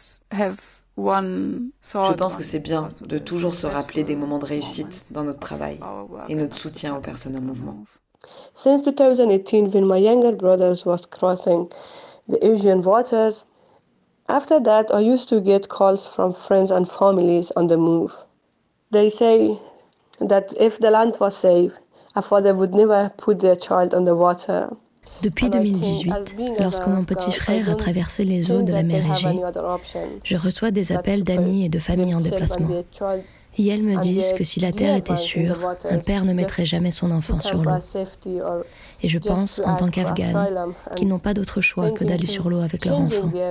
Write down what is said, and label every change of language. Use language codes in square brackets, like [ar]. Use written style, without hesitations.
[fr] Je pense que c'est bien de toujours se rappeler des moments de réussite dans notre travail et notre soutien aux personnes en mouvement. [en] Since 2018, when my younger brother was crossing the Aegean waters, after that, I used to get calls from friends and families on the move. They say that if the land was safe, a father would never put their child on the water. [fr] Depuis 2018, lorsque mon petit frère a traversé les eaux de la mer Égée, je reçois des appels d'amis et de familles en déplacement. Et elles me disent que si la terre était sûre, un père ne mettrait jamais son enfant sur l'eau. Et je pense, en tant qu'Afghane, qu'ils n'ont pas d'autre choix que d'aller sur l'eau avec leur enfant.